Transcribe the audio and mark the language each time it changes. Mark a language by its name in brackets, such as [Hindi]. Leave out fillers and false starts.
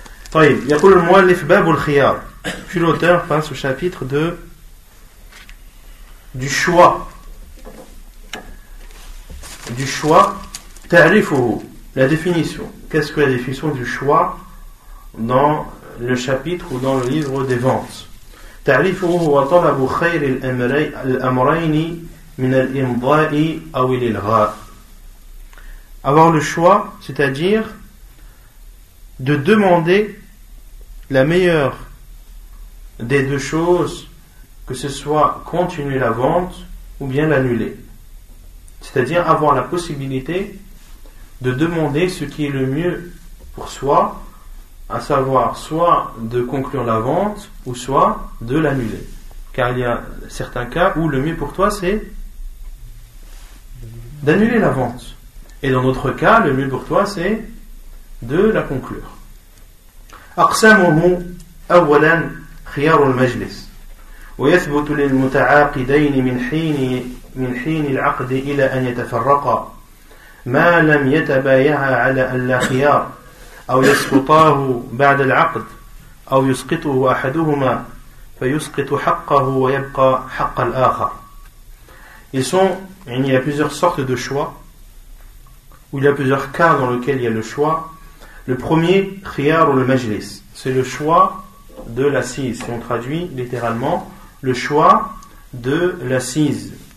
[Arabic] Tayyib, yaqul al-mu'allif bab al-khiyar. [French] Puis l'auteur passe au chapitre du choix. Du choix, ta'rifuhu, la définition. Qu'est-ce que la définition du choix dans le chapitre ou dans le livre des ventes ? [Arabic] تعريفه هو طلب خير الأمرين من الإمضاء أو الإلغاء. [French] Avoir le choix, c'est-à-dire de demander la meilleure des deux choses, que ce soit continuer la vente ou bien l'annuler. C'est-à-dire avoir la possibilité de demander ce qui est le mieux pour soi, à savoir soit de conclure la vente ou soit de l'annuler. Car il y a certains cas où le mieux pour toi c'est d'annuler la vente. Et dans d'autres cas, le mieux pour toi c'est de la conclure. [Arabic] أقسامه أولا خيار المجلس ويثبت للمتعاقدين من حين العقد إلى أن يتفرقا ما لم يتبايعا على ألا خيار أو يسقطاه بعد العقد أو يسقطه أحدهما فيسقط حقه ويبقى حق الآخر. [French] Ils sont, il y a plusieurs sortes de choix, ou il y a plusieurs cas dans lesquels il y a le choix. Le premier, khiyar ou le majlis, c'est le choix de l'assise. Si on traduit littéralement, le choix de l'assise.